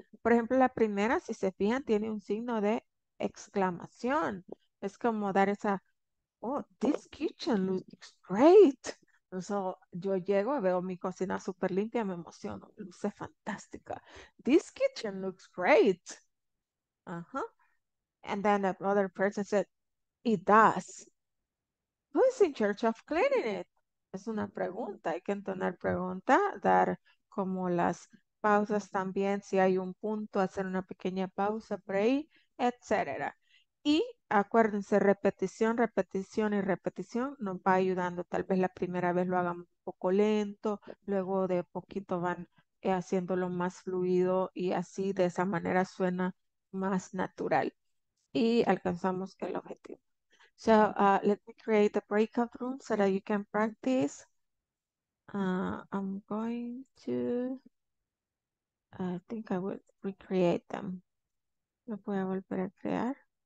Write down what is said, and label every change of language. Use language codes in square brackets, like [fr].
[es] Por ejemplo, la primera, si se fijan, tiene un signo de exclamación. Es como dar esa, [en] oh, this kitchen looks great. [es] So, yo llego, veo mi cocina súper limpia, me emociono, luce fantástica. [en] This kitchen looks great. Uh-huh. And then the other person said, it does. Who is in charge of cleaning it? [es] Es una pregunta. Hay que entonar pregunta, dar como las pausas también. Si hay un punto, hacer una pequeña pausa por ahí, etc. Y acuérdense, repetición, repetición y repetición nos va ayudando. Tal vez la primera vez lo hagamos un poco lento, luego de poquito van haciéndolo más fluido y así de esa manera suena más natural y alcanzamos el objetivo. [en] So let me create a breakout room so that you can practice. I'm going to, I think I will recreate them. [es] Lo voy a volver a crear.